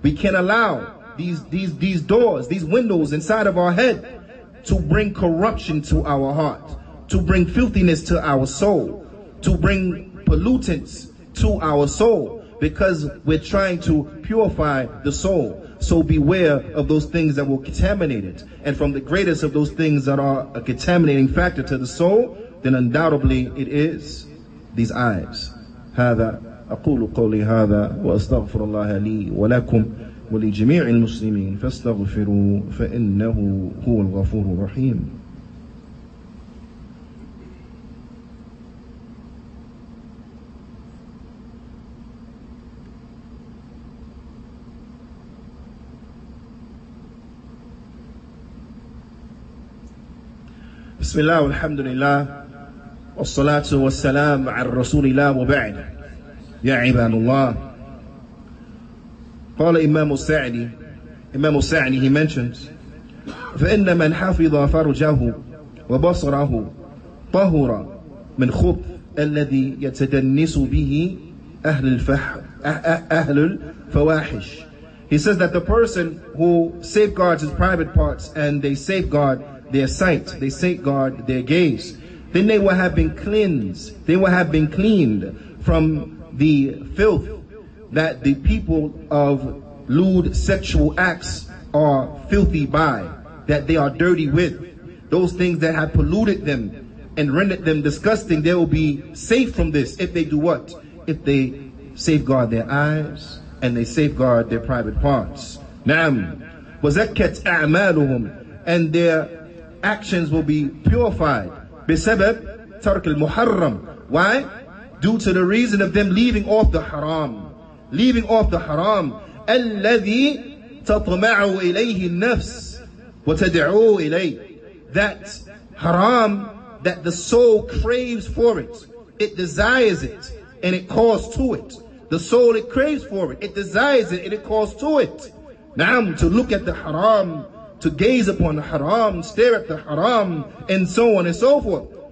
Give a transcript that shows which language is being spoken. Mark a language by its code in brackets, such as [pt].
[en] We can't allow these doors, these windows inside of our head to bring corruption to our heart, to bring filthiness to our soul, to bring pollutants to our soul, because we're trying to purify the soul. So beware of those things that will contaminate it. And from the greatest of those things that are a contaminating factor to the soul, then undoubtedly it is these eyes. [ar] هذا أقول قولي هذا وأستغفر الله لي ولكم ولجميع المسلمين فاستغفروا فإنه هو الغفور الرحيم. بسم الله والحمد لله والصلاة والسلام على رسول الله وبعد يا عباد الله قال إمام السعدي إمام السعدي [en] he mentions [ar] فإن من حفظ فرجه وبصره طهر من خبث الذي يتدنس به أهل أهل الفواحش. [en] He says that the person who safeguards his private parts and they safeguard their sight, they safeguard their gaze, then they will have been cleansed, they will have been cleaned from the filth that the people of lewd sexual acts are filthy by, that they are dirty with. Those things that have polluted them and rendered them disgusting, they will be safe from this if they do what? If they safeguard their eyes and they safeguard their private parts. Naam. [ar] وَزَكَّتْ أَعْمَالُهُمْ. [en] And their actions will be purified. [ar] بسبب ترك المحرم. [en] Why? Due to the reason of them leaving off the haram. Leaving off the haram. [ar] الذي تطمع إليه النفس وتدعو إليه. [en] That haram that the soul craves for it. It desires it and it calls to it. The soul it craves for it. It desires it and it calls to it. نعم, to look at the haram, to gaze upon the haram, stare at the haram, and so on and so forth.